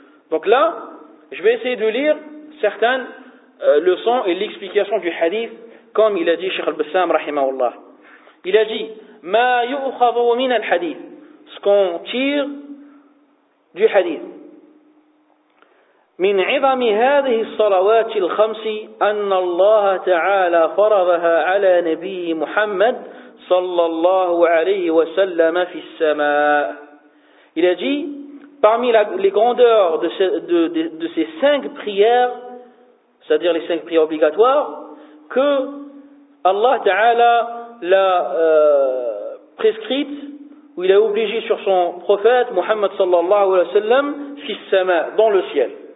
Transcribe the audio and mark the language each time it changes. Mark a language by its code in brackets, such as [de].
[fr] Donc là, je vais essayer de lire certaines leçons et l'explication du hadith, comme il a dit Cheikh Al-Bassam, rahimahullah. Il a dit, « [ar] Ma yu'khadhu min al-hadith [fr] » ce qu'on tire du hadith. [ar] من عظم هذه الصلوات الخمس أن الله تعالى فرضها على نبي محمد صلى الله عليه وسلم في السماء. [fr] Il a dit, parmi les grandeurs de ces cinq prières, c'est-à-dire les cinq prières obligatoires, que Allah Ta'ala l'a prescrite, où il a obligé sur son prophète, Muhammad sallallahu alayhi wa sallam, [ar] fis sama, [fr] dans le ciel.